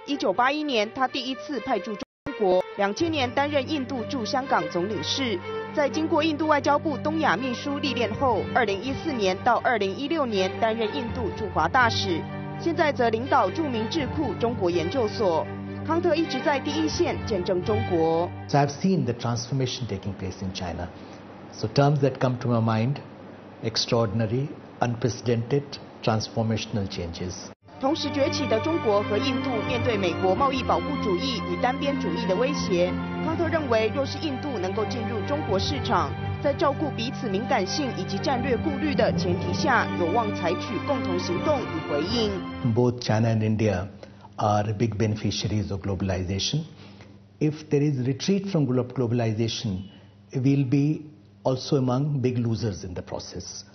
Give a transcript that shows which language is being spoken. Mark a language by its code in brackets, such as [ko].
[zh] 1981年，他第一次派驻中国；2000年担任印度驻香港总领事。在经过印度外交部东亚秘书历练后，2014年到2016年担任印度驻华大使，现在则领导著名智库中国研究所。康特一直在第一线见证中国。 [en] So I've seen the transformation taking place in China. So terms that come to my mind: extraordinary, unprecedented, transformational changes. [zh] 同时崛起的中国和印度面对美国贸易保护主义与单边主义的威胁，康特认为，若是印度能够进入中国市场，在照顾彼此敏感性以及战略顾虑的前提下，有望采取共同行动与回应。 [en] Both China and India. Are big beneficiaries of globalization. If there is retreat from globalization, we'll be also among big losers in the process.